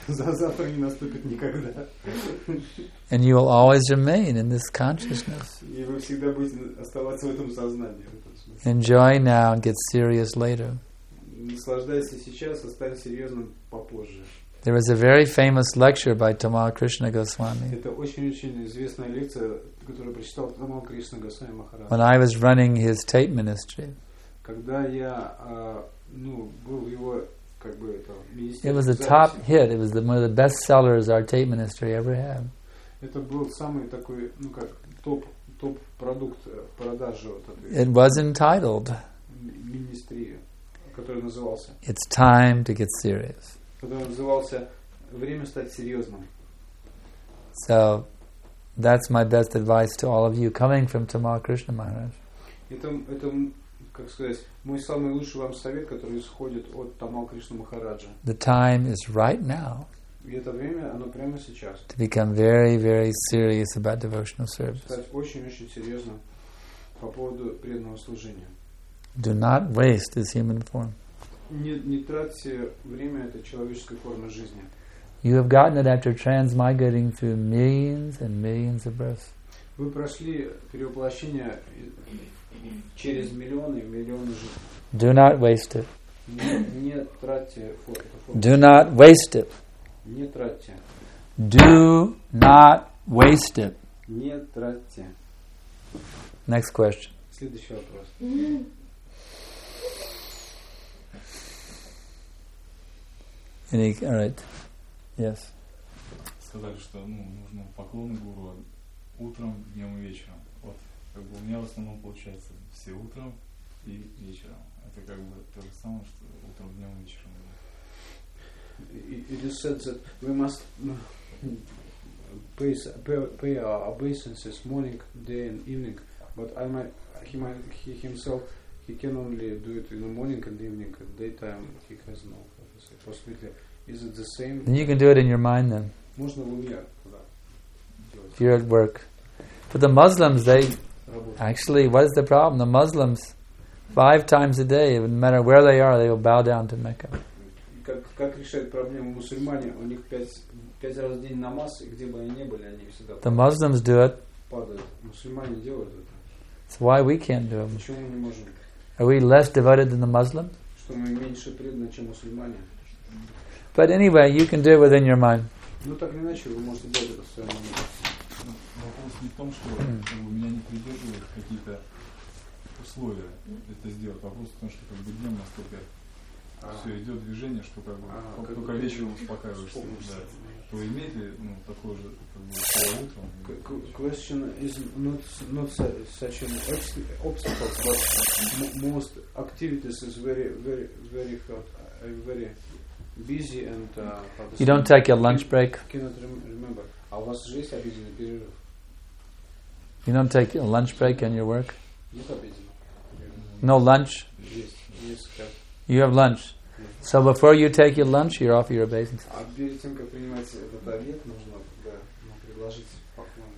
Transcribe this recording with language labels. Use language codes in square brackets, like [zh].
[ru] Завтра не наступит никогда. [en] And you will always remain in this consciousness. [ru] И вы всегда будете оставаться в этом сознании. [en] Enjoy now and get serious later. [ru] Наслаждайся сейчас, а стань серьезным попозже. [en] There is a very famous lecture by Tamal Krishna Goswami. [ru] Это очень-очень известная лекция, которую прочитал Тамал Кришна Госвами Махарадж. [en] When I was running his tape ministry. [ru] Когда я, ну, был его. [en] It was a top hit. It was one of the best sellers our tape ministry ever had. [ru] Это был самый такой, ну как, топ топ-продукт в продаже. Вот, [en] it was entitled. [ru] Министри, который назывался. [en] It's time to get serious. [ru] Который назывался «Время стать серьезным». [en] So, that's my best advice to all of you coming from Tamal Krishna Maharaj. [ru] Это, как сказать, мой самый лучший вам совет, который исходит от Тамал Кришна Махараджа. [en] The time is right now. [ru] И это время, оно прямо сейчас. [en] To become very, very serious about devotional service. [ru] Стать очень-очень серьезным по поводу преданного служения. [en] Do not waste this human form. [ru] Не тратьте время этой человеческой формы жизни. [en] You have gotten it after transmigrating through millions and millions of births. [ru] Вы прошли перевоплощение через миллионы и миллионы жизней. [en] Do not waste it. [ru] Не тратьте форму. [en] Do not waste it. [ru] Не тратьте. [en] Do not waste it. [ru] Не тратьте. [en] Next question. [ru] Следующий вопрос. [en] Alright. Yes. [ru] Сказали, что нужно поклон гуру утром, днем и вечером. Вот, как бы у меня в основном получается все утром и вечером. Это как бы то же самое, что утром, днем и вечером. [en] You said that we must pay our obeisances morning, day and evening, but he can only do it in the morning and evening. At daytime he has no possibility. Is it the same? Then you can do it in your mind then. [ru] Можно в уме. [en] If you're at work. But the Muslims, they actually, what is the problem? The Muslims, five times a day, no matter where they are, they will bow down to Mecca. [ru] Как решают проблему мусульмане? У них пять раз в день намаз, и где бы они ни были, они всегда падают. [en] The Muslims do it. [ru] Мусульмане делают это. [en] So why we can't do it? [ru] Почему мы не можем? [en] Are we less devoted than the Muslims? [ru] Что мы меньше преданы, чем мусульмане? [en] But anyway, you can do it within your mind. [ru] Ну так или иначе, вы можете делать это в своем уме. Вопрос не в том, что у меня не придерживают какие-то условия это сделать. Вопрос в том, что как бы днем наступает. Все идет движение, что как бы только вечером успокаиваешься. То имеет ли такое же утром? [en] Question is not such an obstacle, but most activities is very hard, very busy and you don't take your lunch break. Cannot remember. [ru] А у вас же есть обеденный перерыв? [en] You don't take a lunch break on your work? [ru] Нет обеденного. [en] No lunch? Yes, yes. You have lunch. So before you take your lunch, you're off your obeisances. [ru] А перед тем, как принимать этот обед, нужно предложить поклоны.